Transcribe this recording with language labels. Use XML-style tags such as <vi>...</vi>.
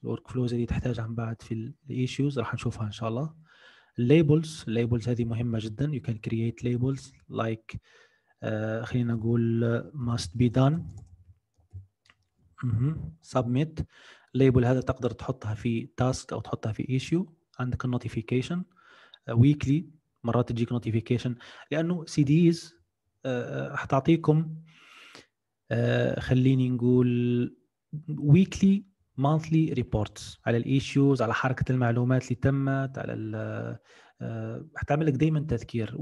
<ar>Workflows اللي تحتاجها من بعد في الايشوز راح نشوفها ان شاء الله.</ar> <en>Labels.</en> <ar>Labels هذه مهمة جدا.</ar> <en>You can create labels like</en> <ar>خلينا نقول</ar> <en>must be done. Submit.</en> <ar>Label هذا تقدر تحطها في task او تحطها في issue. عندك notification.</ar> <en>Weekly.</en> <ar>مرات تجيك notification. لانه CDs حتعطيكم خليني نقول weekly monthly reports على الايشوز، على حركه المعلومات اللي تمت، على ال حتعمل لك دائما تذكير.</ar>